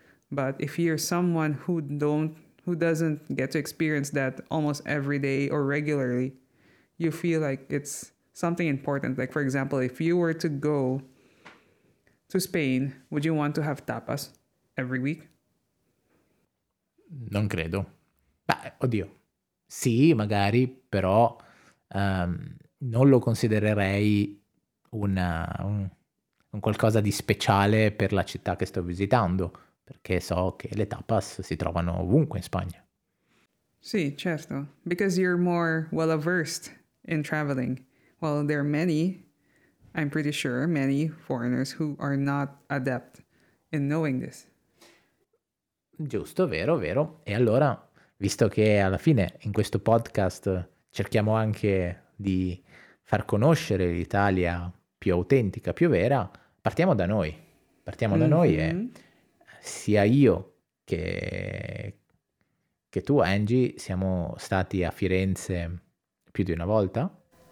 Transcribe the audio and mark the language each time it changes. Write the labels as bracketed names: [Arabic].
[English] But if you're someone who doesn't get to experience that almost every day or regularly, you feel like it's something important. Like, for example, if you were to go to Spain, would you want to have tapas every week? [Italian] Non credo. Beh, oddio. Sì, magari, però non lo considererei un qualcosa di speciale per la città che sto visitando, perché so che le tapas si trovano ovunque in Spagna. Sì, certo. [English] Because you're more well-versed in traveling. Well, there are many, I'm pretty sure, many foreigners who are not adept in knowing this. [Italian] Giusto, vero, vero. E allora, visto che alla fine in questo podcast cerchiamo anche di far conoscere l'Italia più autentica, più vera, partiamo da noi. Partiamo da noi e sia io che tu, Angie, siamo stati a Firenze più di una volta.